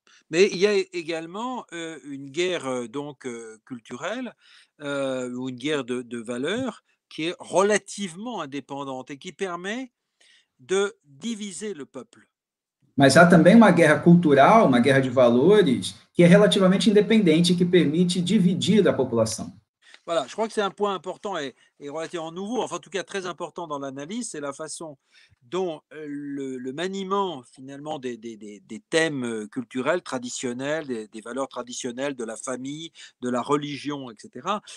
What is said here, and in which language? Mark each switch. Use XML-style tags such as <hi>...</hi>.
<fr>Mais il y a également une guerre donc culturelle ou une guerre de valeurs qui est relativement indépendante et qui permet de diviser le peuple.</fr> <pt>Mas há também uma guerra cultural, uma guerra de valores, que é relativamente independente e que permite dividir a população.</pt> <fr>Voilà, je crois que c'est un point important et relativement nouveau, enfin en tout cas très important dans l'analyse, c'est la façon dont le maniement finalement des thèmes culturels traditionnels, des valeurs traditionnelles, de la famille, de la religion, etc.,</fr>